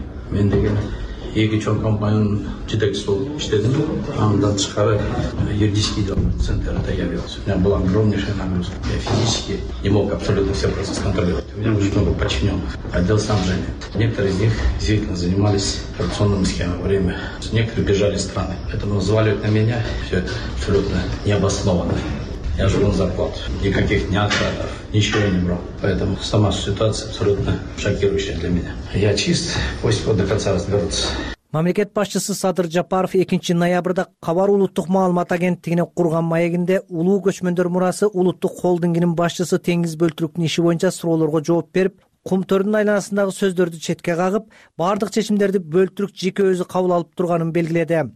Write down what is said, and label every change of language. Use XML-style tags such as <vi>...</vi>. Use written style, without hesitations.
<ky>Мен деген эки чоң компаниянын жетекчиси болуп иштедим. Андан тышкары</ky> <ru>юридический дел центрда я вел. У меня была огромнейшая нагрузка. Я физически не мог абсолютно все процессы контролировать. У меня очень много подчиненных. Отдел сам женит. Некоторые из них действительно занимались коррупционными схемами во время. Некоторые бежали из страны. Поэтому взваливать на меня все это абсолютно необоснованно. Я живу на зарплату. Никаких ни откатов, ничего не брал. Поэтому сама ситуация абсолютно шокирующая для меня. Я чист, пусть вот до конца разберутся.</ru> <ky>Мамлекет башчысы Садыр Жапаров 2 ноябрда Кабар улуттук маалымат агенттигине курган маегинде улуу көчмөндөр мурасы улуттук холдингинин башчысы теңиз бөлтүрүктүн иши боюнча суроолорго жооп берип, кумтөрдүн айланасындагы сөздөрдү четке кагып, бардык чечимдерди Бөлтүрк жеке өзү кабыл алып турганын белгиледи.</ky>